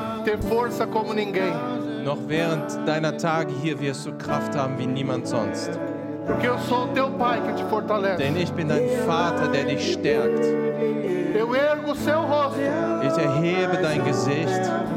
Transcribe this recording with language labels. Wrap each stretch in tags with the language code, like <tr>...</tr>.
<de>Noch während deiner Tage hier wirst du Kraft haben wie niemand sonst.</de> <pt>Porque eu sou teu pai que te fortalece.</pt> <de>Denn ich bin dein Vater, der dich stärkt.</de> <pt>Eu ergo seu rosto.</pt> <de>Ich erhebe dein Gesicht.</de>